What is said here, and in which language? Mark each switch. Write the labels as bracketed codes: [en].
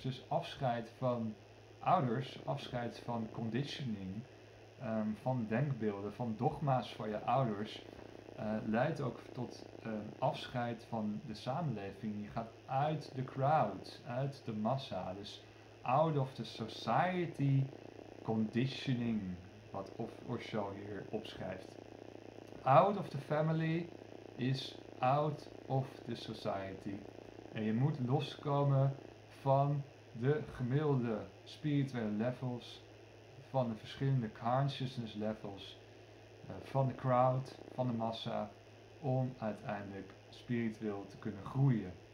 [nl] Dus afscheid van ouders, afscheid van conditioning, van denkbeelden, van dogma's van je ouders, leidt ook tot afscheid van de samenleving. Je gaat uit de crowd, uit de massa. Dus [en] out of the society conditioning, [nl] wat Osho hier opschrijft. [en] Out of the family is out of the society. [nl] En je moet loskomen van de gemiddelde spirituele levels, van de verschillende consciousness levels, van de crowd, van de massa, om uiteindelijk spiritueel te kunnen groeien.